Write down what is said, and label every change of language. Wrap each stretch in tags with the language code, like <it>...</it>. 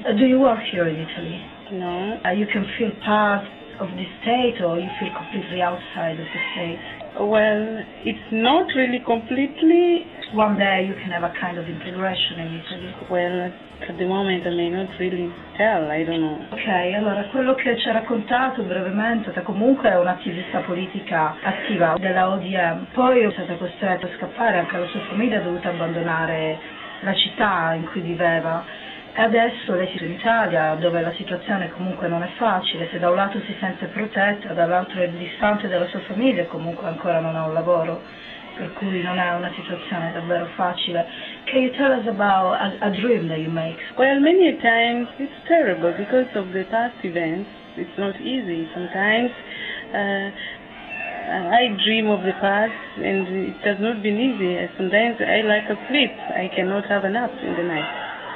<en>Do you work here in Italy? No. You can feel part of the state, or you feel completely outside of the state? Well, it's not really completely. One day you can have a kind of integration in Italy. Well, at the moment I may not really tell, I don't know.</en> <it>Ok, allora quello che ci ha raccontato brevemente, che comunque è un'attivista politica attiva della ODM, poi è stata costretta a scappare, anche la sua famiglia ha dovuto abbandonare la città in cui viveva. E adesso lei si trova in Italia, dove la situazione comunque non è facile, se da un lato si sente protetta, dall'altro è distante dalla sua famiglia e comunque ancora non ha un lavoro. per cui non è una situazione davvero facile.</it> <en>Can you tell us about a dream that you make? Well, many a times it's terrible because of the past events. It's not easy. Sometimes I dream of the past and it has not been easy. Sometimes I lack a sleep. I cannot have a nap in the night.</en>